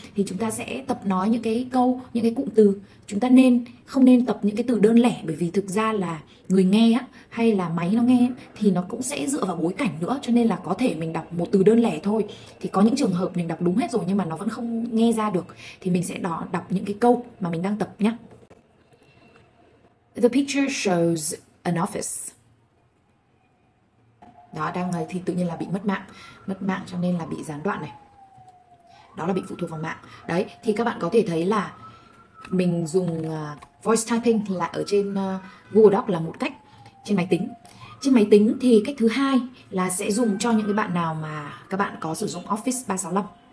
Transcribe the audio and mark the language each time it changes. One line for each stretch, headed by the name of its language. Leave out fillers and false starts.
Vietnamese: Thì chúng ta sẽ tập nói những cái câu, những cái cụm từ. Chúng ta không nên tập những cái từ đơn lẻ, bởi vì thực ra là người nghe á, hay là máy nó nghe thì nó cũng sẽ dựa vào bối cảnh nữa. Cho nên là có thể mình đọc một từ đơn lẻ thôi, thì có những trường hợp mình đọc đúng hết rồi nhưng mà nó vẫn không nghe ra được, thì mình sẽ đọc những cái câu mà mình đang tập nhé.
English: The picture shows an office.
Vietnamese: Đó, đang thì tự nhiên là bị mất mạng cho nên là bị gián đoạn này. Đó là bị phụ thuộc vào mạng. Đấy, thì các bạn có thể thấy là mình dùng voice typing là ở trên Google Doc là một cách trên máy tính. Trên máy tính thì cách thứ hai là sẽ dùng cho những cái bạn nào mà các bạn có sử dụng Office 365.